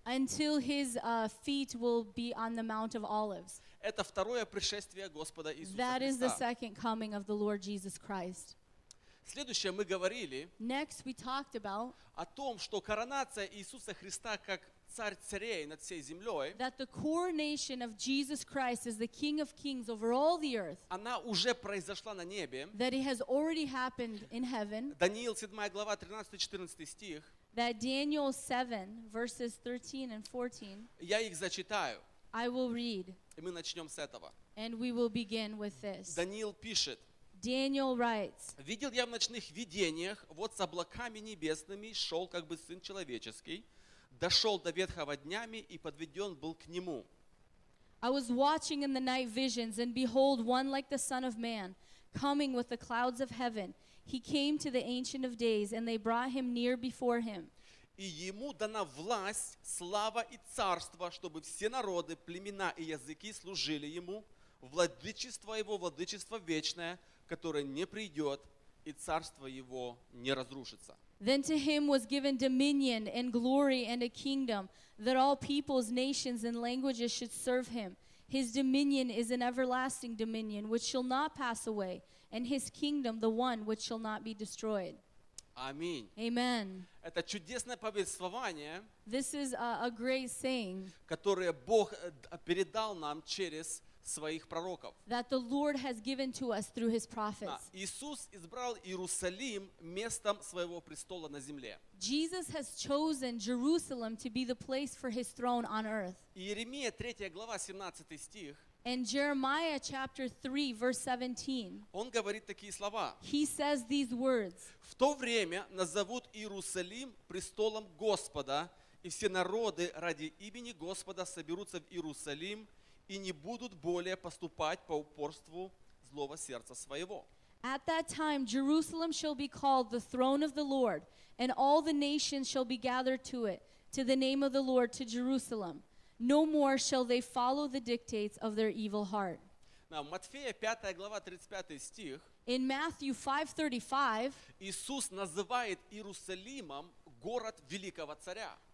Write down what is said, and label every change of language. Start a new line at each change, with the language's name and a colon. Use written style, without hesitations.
English: until his feet will be on the Mount of Olives.
Russian: Это второе пришествие Господа Иисуса Христа.
English: That is the second coming of the Lord Jesus Christ.
Russian: Следующее мы говорили
English: next we talked about
Russian: о том, что коронация Иисуса Христа как царь царей над всей землей,
English: that the coronation of Jesus Christ as the King of Kings over all the earth,
Russian: она уже произошла на небе,
English: that it has already happened in heaven.
Russian: Даниил 7 глава 13-14 стих,
English: that Daniel 7 verses 13 and 14,
Russian: я их зачитаю,
English: I will read,
Russian: и мы начнем с этого,
English: and we will begin with this.
Russian: Даниил пишет,
English: Daniel writes,
Russian: видел я в ночных видениях, вот с облаками небесными шел как бы Сын Человеческий, дошел до Ветхого днями и подведен был к Нему.
English: I was watching in the night visions, and behold, one like the Son of Man, coming with the clouds of heaven. He came to the Ancient of Days, and they brought Him near before Him.
Russian: И Ему дана власть, слава и царство, чтобы все народы, племена и языки служили Ему, владычество Его, владычество вечное, которое не придет, и царство Его не разрушится.
English: Then to him was given dominion and glory and a kingdom, that all peoples, nations, and languages should serve him. His dominion is an everlasting dominion which shall not pass away, and his kingdom the one which shall not be destroyed.
Russian: Аминь.
English: Amen.
Russian: Это чудесное повествование,
English: this is a great saying,
Russian: которое Бог передал нам через своих пророков.
English: That the Lord has given to us through his prophets.
Russian: Иисус избрал Иерусалим местом своего престола на земле.
English: Jesus has chosen Jerusalem to be the place for his throne on earth.
Russian: Иеремия 3 глава 17 стих.
English: And Jeremiah chapter 3 verse 17.
Russian: Он говорит такие слова.
English: He says these words.
Russian: В то время назовут Иерусалим престолом Господа, и все народы ради имени Господа соберутся в Иерусалим и не будут более поступать по упорству злого сердца своего.
English: At that time Jerusalem shall be called the throne of the Lord, and all the nations shall be gathered to it, to the name of the Lord, to Jerusalem. No more shall they follow the dictates of their evil heart. Now,
Russian: Матфея 5 глава 35 стих,
English: in Matthew 5:35,
Russian: Иисус называет Иерусалимом город великого царя.